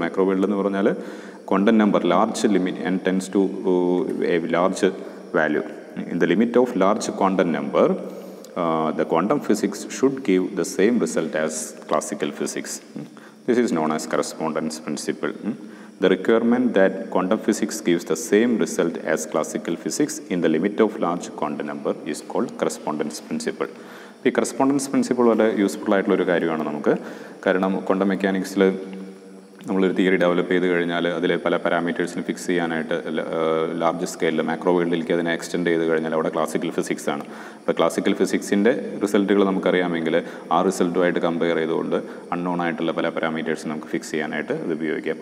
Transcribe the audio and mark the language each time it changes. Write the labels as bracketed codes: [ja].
[en] macro world [ml] എന്ന് പറഞ്ഞാൽ [en] Quantum number large limit n tends to a large value. In the limit of large quantum number the quantum physics should give the same result as classical physics. This is known as correspondence principle. The requirement that quantum physics gives the same result as classical physics in the limit of large quantum number is called correspondence principle. [ml] ഈ correspondence principle വളരെ useful ആയിട്ടുള്ള ഒരു കാര്യമാണ് നമുക്ക്. കാരണം quantum മെക്കാനിക്സിൽ നമ്മളൊരു theory develop ചെയ്ത് കഴിഞ്ഞാൽ അതിലെ പല പാരാമീറ്റേഴ്സിന് ഫിക്സ് ചെയ്യാനായിട്ട് ലാർജ് സ്കെയിലിൽ മാക്രോ വേൾഡിലേക്ക് അതിനെ എക്സ്റ്റെൻഡ് ചെയ്ത് കഴിഞ്ഞാൽ അവിടെ ക്ലാസിക്കൽ ഫിസിക്സ് ആണ്. അപ്പോൾ ക്ലാസിക്കൽ ഫിസിക്സിൻ്റെ റിസൾട്ടുകൾ നമുക്കറിയാമെങ്കിൽ ആ റിസൾട്ടുമായിട്ട് കമ്പയർ ചെയ്തുകൊണ്ട് അൺനോൺ ആയിട്ടുള്ള പല പാരാമീറ്റേഴ്സ് നമുക്ക് ഫിക്സ് ചെയ്യാനായിട്ട് ഇത് ഉപയോഗിക്കാം.